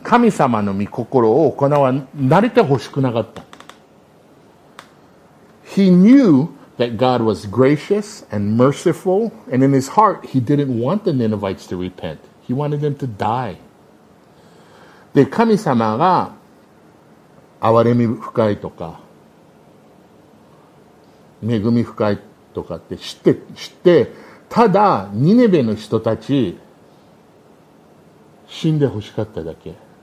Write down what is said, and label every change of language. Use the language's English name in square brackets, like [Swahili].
[Japanese] 神様の御心を行わ、慣れてほしくなかった。 [English] He knewThat God was gracious and merciful, and in his heart, he didn't want the Ninevites to repent. He wanted them to die. [Japanese] で、神様が、憐れみ深いとか、恵み深いとかって知って、ただ、ニネベの人たち、死んでほしかっただけ。